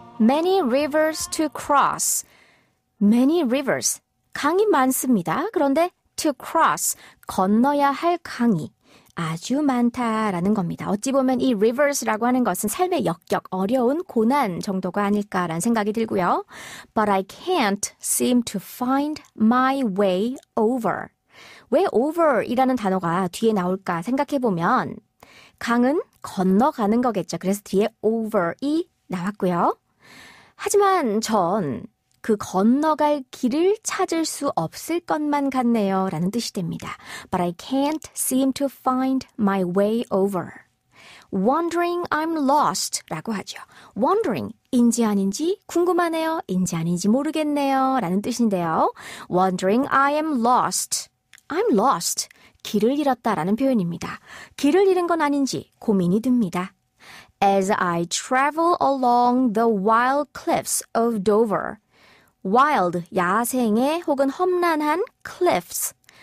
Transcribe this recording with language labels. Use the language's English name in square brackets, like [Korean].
[English] Many rivers to cross. Many rivers. [Korean] 강이 많습니다. 그런데 [English] to cross, [Korean] 건너야 할 강이 아주 많다라는 겁니다. 어찌 보면 이 rivers라고 하는 것은 삶의 역경, 어려운 고난 정도가 아닐까라는 생각이 들고요. [English] But I can't seem to find my way over. [Korean] 왜 over이라는 단어가 뒤에 나올까 생각해보면 강은 건너가는 거겠죠. 그래서 뒤에 over이 나왔고요. 하지만 전 그 건너갈 길을 찾을 수 없을 것만 같네요 라는 뜻이 됩니다. [English] But I can't seem to find my way over. Wondering I'm lost [Korean] 라고 하죠. Wondering, 인지 아닌지 궁금하네요. 인지 아닌지 모르겠네요 라는 뜻인데요. [English] Wondering I am lost. I'm lost. [Korean] 길을 잃었다 라는 표현입니다. 길을 잃은 건 아닌지 고민이 듭니다. [English] as I travel along the wild cliffs of Dover. [Korean] Wild, 야생의 혹은 험난한 cliffs.